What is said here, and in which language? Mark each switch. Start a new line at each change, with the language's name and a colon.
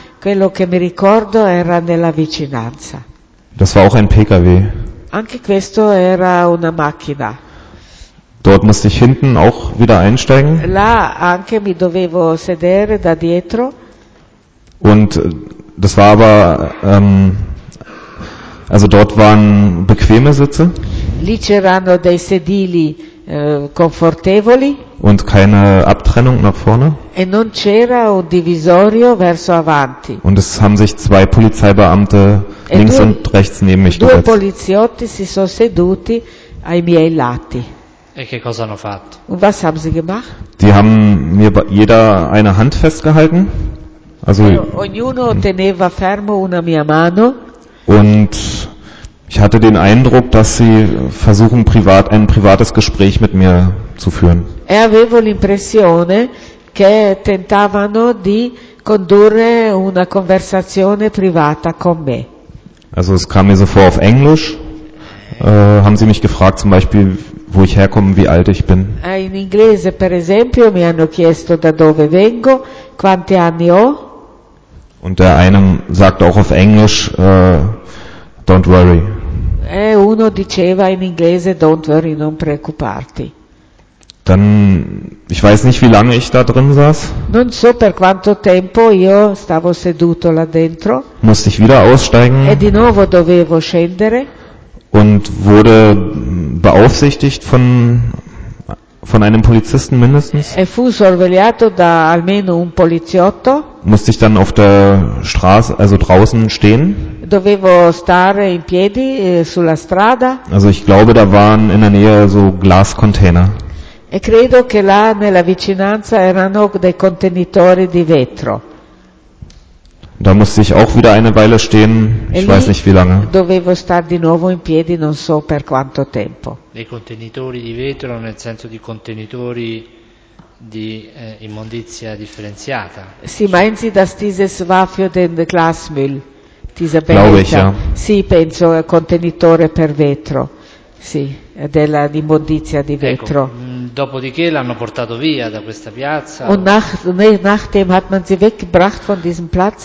Italian: Quello che mi ricordo era nella vicinanza.
German: Das war auch ein PKW.
Italian: Anche questo era una macchina.
German: Dort musste ich hinten auch wieder einsteigen.
Italian: Là anche mi dovevo sedere da dietro.
German: Und das war aber, also dort waren bequeme Sitze.
Italian: Lì c'erano dei sedili confortevoli.
German: Und keine Abtrennung nach vorne.
Italian: E non c'era un divisorio verso avanti.
German: Und es haben sich zwei Polizeibeamte links und rechts neben mich gesetzt.
Italian: Due poliziotti si sono seduti ai miei lati. E che cosa hanno fatto?
German: Und was haben sie gemacht? Die haben mir jeder eine Hand festgehalten. Also,
Italian: ognuno teneva fermo una mia mano.
German: Und ich hatte den Eindruck, dass sie versuchen, ein privates Gespräch mit mir zu führen.
Italian: E avevo l'impressione che tentavano di condurre una conversazione privata con me.
German: Also es kam mir so vor auf Englisch. Haben sie mich gefragt zum Beispiel, wo ich herkomme, wie alt ich bin.
Italian: In inglese, per esempio, mi hanno chiesto da dove vengo, quanti anni ho.
German: Und der eine sagt auch auf Englisch,
English: don't worry.
Italian: E uno diceva in inglese,
English: don't worry,
Italian: non preoccuparti.
German: Dann, ich weiß nicht, wie lange ich da drin saß.
Italian: Non so per quanto tempo io stavo seduto là dentro.
German: Musste ich wieder aussteigen.
Italian: E di nuovo dovevo scendere.
German: Und wurde beaufsichtigt von einem Polizisten mindestens.
Italian: E fu sorvegliato da almeno un poliziotto.
German: Musste ich dann auf der Straße, also draußen stehen.
Italian: Dovevo stare in piedi sulla strada.
German: Also ich glaube, da waren in der Nähe so Glascontainer.
Italian: E credo che là nella vicinanza erano dei contenitori di vetro.
German: Da musste ich auch wieder eine Weile stehen, ich weiß nicht wie lange.
Italian: Dovevo star di nuovo in piedi, non so per quanto tempo. Dei contenitori di vetro, nel senso di contenitori di immondizia differenziata.
German: Sì, meinsi dass dieses war für den Glasmüll, dieser Behälter. Glaube ich, ja.
Italian: Sì, penso contenitore per vetro. Sì, della immondizia di vetro. Ecco, dopodiché l'hanno portato via da questa piazza.
German: Und nachdem hat man sie weggebracht von diesem Platz.